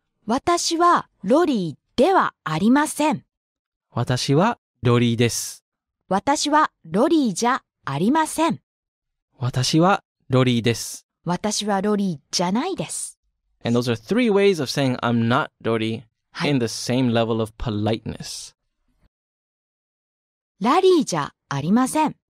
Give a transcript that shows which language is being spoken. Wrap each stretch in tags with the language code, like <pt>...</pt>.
<ja>私はロリーではありません。私はロリーです。私はロリーじゃありません。私はロリーです。私はロリーじゃないです。</ja> <en>And those are three ways of saying I'm not ロリー、はい、in the same level of politeness.</en> <ja>ラリーじゃありません。</ja>